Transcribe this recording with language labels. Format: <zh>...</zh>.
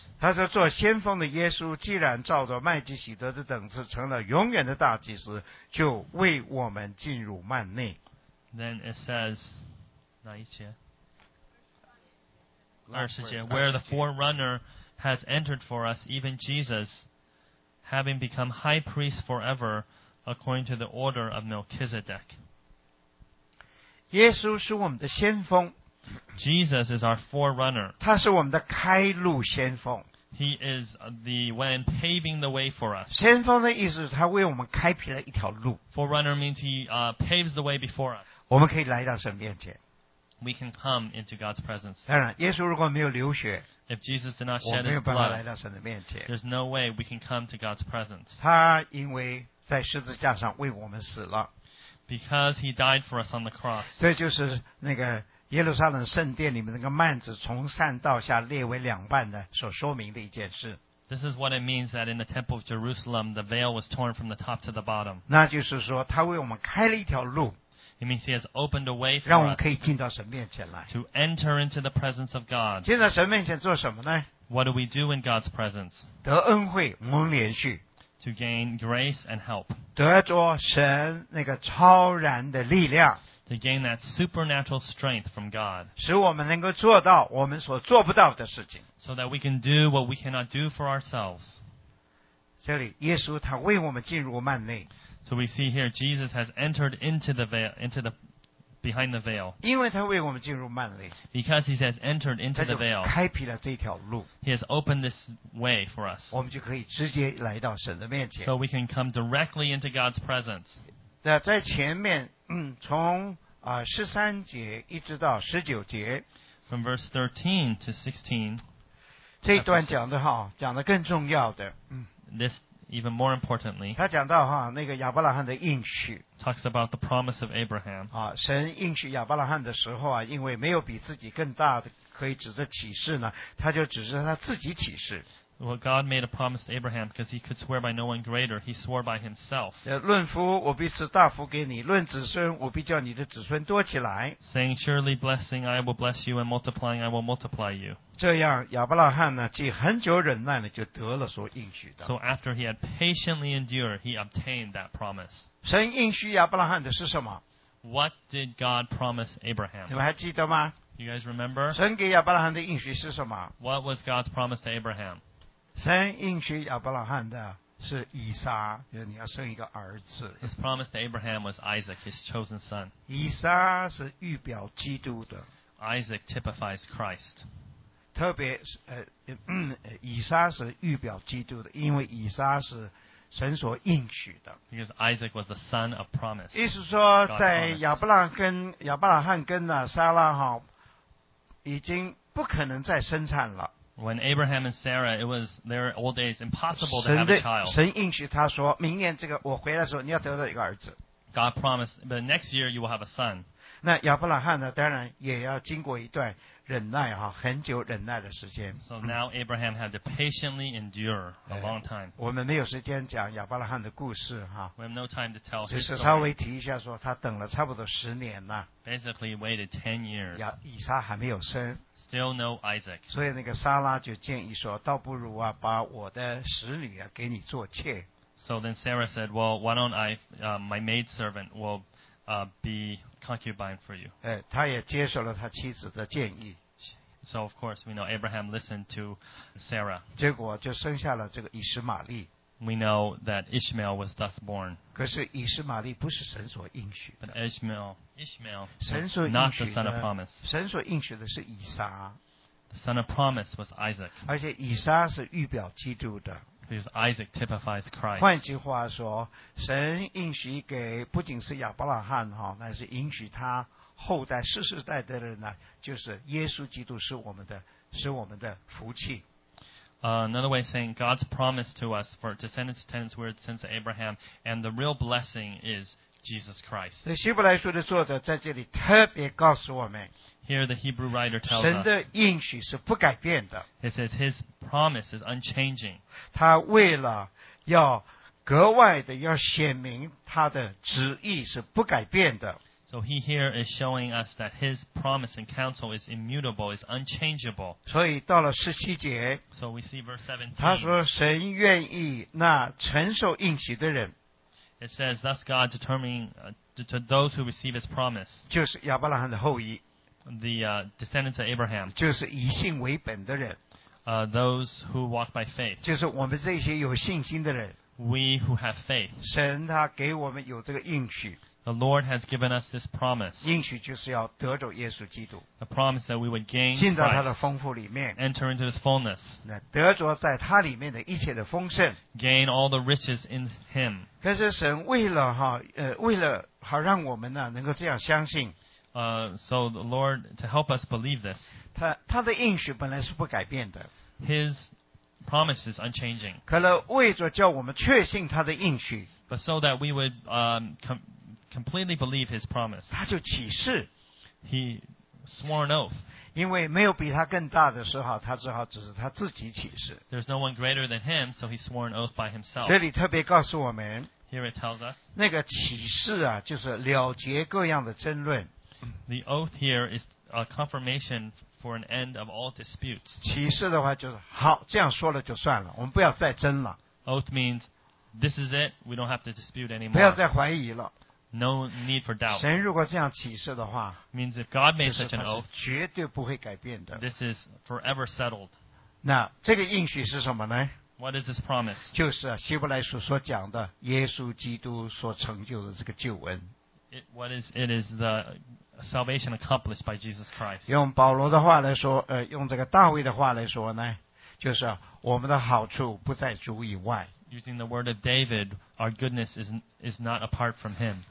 <zh>他说做先锋的耶稣既然照着麦基洗德的等次成了永远的大祭司就为我们进入幔内。</zh> <en>Then it says,</en> <zh>哪一节？</zh> <en>20节 where the forerunner has entered for us, even Jesus, having become high priest forever, according to the order of Melchizedek.</en> <zh>耶稣是我们的先锋。</zh> <en>Jesus is our forerunner.</en> <zh>他是我们的开路先锋。</zh> <en>He is the one paving the way for us.</en> <zh>先锋的意思是他为我们开辟了一条路。</zh> <en>Forerunner means he paves the way before us.</en> <zh>我们可以来到神面前。</zh> <en>We can come into God's presence.</en> <zh>当然，耶稣如果没有流血，</zh> <en>If Jesus did not shed his blood,</en> <zh>我没有办法来到神的面前。</zh> <en>There's no way we can come to God's presence.</en> <zh>他因为在十字架上为我们死了。</zh> <en>Because he died for us on the cross.</en> <zh>这就是那个耶路撒冷圣殿里面那个幔子从上到下列为两半的所说明的一件事。</zh> <en>This is what it means that in the temple of Jerusalem, the veil was torn from the top to the bottom.</en> <zh>那就是说，他为我们开了一条路。</zh> <en>It means he has opened a way for us.</en> <zh>让我们可以进到神面前来。</zh> <en>To enter into the presence of God.</en> <zh>进到神面前做什么呢？</zh> <en>What do we do in God's presence?</en> <zh>得恩惠，蒙连续。</zh> <en>To gain grace and help.</en> <zh>得着神那个超然的力量。</zh> <en>to gain that supernatural strength from God.</en> <zh>使我们能够做到我们所做不到的事情。</zh> <en>So that we can do what we cannot do for ourselves.</en> <zh>这里耶稣他为我们进入幔内。</zh> <en>So we see here Jesus has entered into the veil, into the behind the veil.</en> <zh>因为他为我们进入幔内。</zh> <en>Because he has entered into the veil.</en> <zh>开辟了这条路。</zh> <en>He has opened this way for us.</en> <zh>我们就可以直接来到神的面前。</zh> <en>So we can come directly into God's presence.</en> <zh>那在前面从十三节一直到十九节。</zh> <en>From verse 13 to 16.</en> <zh>这一段讲的哈讲的更重要的。</zh> <en>This even more importantly.</en> <zh>他讲到哈那个亚伯拉罕的应许。</zh> <en>Talks about the promise of Abraham.</en> <zh>啊神应许亚伯拉罕的时候啊因为没有比自己更大的可以指着启示呢他就指着他自己启示。</zh> <en>Well, God made a promise to Abraham because he could swear by no one greater. He swore by himself.</en> <zh>论福我必赐大福给你论子孙我必叫你的子孙多起来</zh> <en>Saying, surely blessing, I will bless you, and multiplying, I will multiply you.</en> <zh>这样亚伯拉罕呢既很久忍耐了就得了所应许的</zh> <en>So after he had patiently endured, he obtained that promise.</en> <zh>神应许亚伯拉罕的是什么</zh> <en>What did God promise Abraham?</en> <zh>你们还记得吗</zh> <en>You guys remember?</en> <zh>神给亚伯拉罕的应许是什么</zh> <en>What was God's promise to Abraham?</en> <zh>神应许亚伯拉罕的是以撒，就是你要生一个儿子。</zh> <en>His promise to Abraham was Isaac, his chosen son.</en> <zh>以撒是预表基督的。</zh> <en>Isaac typifies Christ.</en> <zh>特别以撒是预表基督的，因为以撒是神所应许的。</zh> <en>Because Isaac was the son of promise.</en> <zh>意思说，在亚伯拉罕跟那撒拉哈已经不可能再生产了。</zh> <en>When Abraham and Sarah, it was their old age, impossible to have a child.</en> <zh>神应许他说，明年这个我回来的时候，你要得到一个儿子。</zh> <en>God promised, but next year you will have a son.</en> <zh>那亚伯拉罕呢，当然也要经过一段忍耐哈，很久忍耐的时间。</zh> <en>So now Abraham had to patiently endure a long time.</en> <zh>我们没有时间讲亚伯拉罕的故事哈。</zh> <en>We have no time to tell his story.</en> <zh>只是稍微提一下说，他等了差不多十年呐。</zh> <en>Basically, waited 10 years.</en> <zh>以撒还没有生。</zh> <en>Still no Isaac.</en> <zh>所以那个撒拉就建议说，倒不如啊，把我的使女啊给你做妾。</zh> <en>So then Sarah said, "Well, why don't I, my maid servant will, be concubine for you?"</en> <zh>他也接受了他妻子的建议。</zh> <en>So of course we know Abraham listened to Sarah.</en> <zh>结果就生下了这个以实玛利。</zh> <en>We know that Ishmael was thus born.</en> <zh>可是以实玛利不是神所应许的。</zh> <en>But Ishmael was not the son of promise.</en> <zh>神所应许的是以撒。</zh> <en>The son of promise was Isaac.</en> <zh>而且以撒是预表基督的。</zh> <en>Because Isaac typifies Christ.</en> <zh>换句话说，神应许给不仅是亚伯拉罕哈，乃是应许他后代世世代代的人呢，就是耶稣基督是我们的福气。</zh> <en>Another way of saying God's promise to us for descendants were descendants of Abraham, and the real blessing is Jesus Christ.</en> <zh>希伯来书的作者在这里特别告诉我们。</zh> <en>Here the Hebrew writer tells us.</en> <zh>神的应许是不改变的。</zh> <en>It says His promise is unchanging.</en> <zh>他为了要格外的要显明他的旨意是不改变的。</zh> <en>So he here is showing us that his promise and counsel is immutable, is unchangeable.</en> <zh>所以到了十七节</zh> <en>So we see verse 17.</en> <zh>他说神愿意那承受应许的人</zh> <en>It says, thus God determining to those who receive his promise.</en> <zh>就是亚伯拉罕的后裔</zh> <en>The descendants of Abraham.</en> <zh>就是以信为本的人</zh> <en>Those who walk by faith.</en> <zh>就是我们这些有信心的人</zh> <en>We who have faith.</en> <zh>神他给我们有这个应许</zh> <en>The Lord has given us this promise.</en> <zh>应许就是要得着耶稣基督。</zh> <en>A promise that we would gain.</en> <zh>进到他的丰富里面。</zh> <en>Enter into his fullness.</en> <zh>那得着在他里面的一切的丰盛。</zh> <en>Gain all the riches in him.</en> <zh>可是神为了好让我们呢能够这样相信。</zh> <en>So the Lord to help us believe this.</en> <zh>他的应许本来是不改变的。</zh> <en>His promise is unchanging.</en> <zh>可能为着叫我们确信他的应许。</zh> <en>But so that we would completely believe his promise.</en> <zh>他就起誓。</zh> <en>He swore an oath.</en> <zh>因为没有比他更大的时候他只好只是他自己起誓。</zh> <en>There's no one greater than him, so he swore an oath by himself.</en> <zh>这里特别告诉我们。</zh> <en>Here it tells us.</en> <zh>那个起誓啊就是了结各样的争论。</zh> <en>The oath here is a confirmation for an end of all disputes.</en> <zh>起誓的话就是好这样说了就算了我们不要再争了。</zh> <en>Oath means, this is it, we don't have to dispute anymore.</en> <zh>不要再怀疑了。</zh> <en>No need for doubt.</en> <zh>神如果这样启示的话,</zh> <en>means if God made such an oath,</en> <zh>绝对不会改变的。</zh> <en>This is forever settled.</en> <zh>那这个应许是什么呢?</zh> <en>What is this promise?</en> <zh>就是希伯来书所讲的耶稣基督所成就的这个救恩。</zh> <en>It is the salvation accomplished by Jesus Christ.</en> <zh>用保罗的话来说,用这个大卫的话来说呢,就是我们的好处不在主以外。</zh> <en>Using the word of David, our goodness is not apart from him.</en>